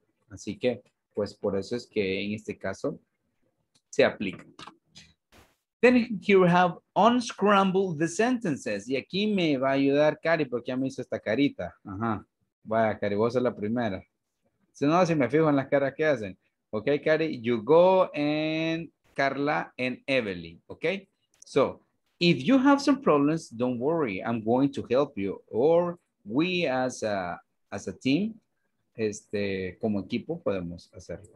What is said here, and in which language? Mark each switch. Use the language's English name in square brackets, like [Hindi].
[Spanish] Así que, pues por eso es que en este caso se aplica. [English] Then here we have unscramble the sentences. [Spanish] Y aquí me va a ayudar Cari porque ya me hizo esta carita. Ajá. Vaya, Cari, vos sos la primera. Si no, si me fijo en las caras que hacen. [English] Ok, Cari, you go and Carla and Evelyn. Ok. So, if you have some problems, don't worry. I'm going to help you. Or we as a team, [Spanish] como equipo, podemos hacerlo.